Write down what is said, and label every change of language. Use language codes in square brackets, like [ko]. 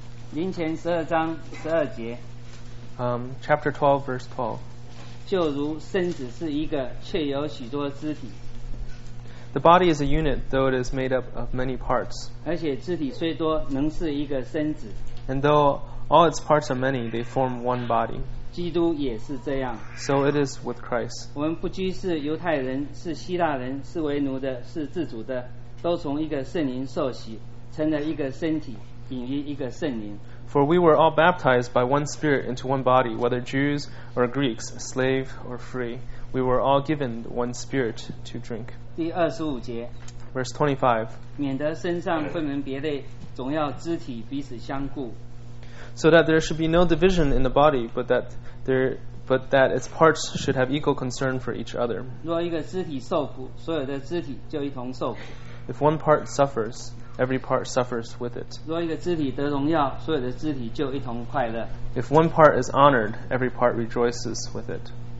[zh] 林前十二章十二节。 [en] Chapter 12, verse 12. [zh] 就如身子是一个，却有许多肢体。 [en] The body is a unit, though it is made up of many parts. [zh] 而且肢体虽多，能是一个身子。 [en] And though all its parts are many, they form one body. [zh] 基督也是这样。 [en] So it is with Christ. [zh] 我们不拘是犹太人，是希腊人，是为奴的，是自主的，都从一个圣灵受洗，成了一个身体，隐于一个圣灵。 [en] For we were all baptized by one Spirit into one body, whether Jews or Greeks, slave or free. We were all given one Spirit to drink. [zh] 第二十五节。 [en] Verse 25. [zh] 免得身上分门别类，总要肢体彼此相顾。 [en] So that there should be no division in the body, but that its parts should have equal concern for each other. [zh] 若一个肢体受苦，所有的肢体就一同受苦。 [en] If one part suffers, every part suffers with it. [zh] 若一个肢体得荣耀，所有的肢体就一同快乐。 [en] If one part is honored, every part rejoices with it.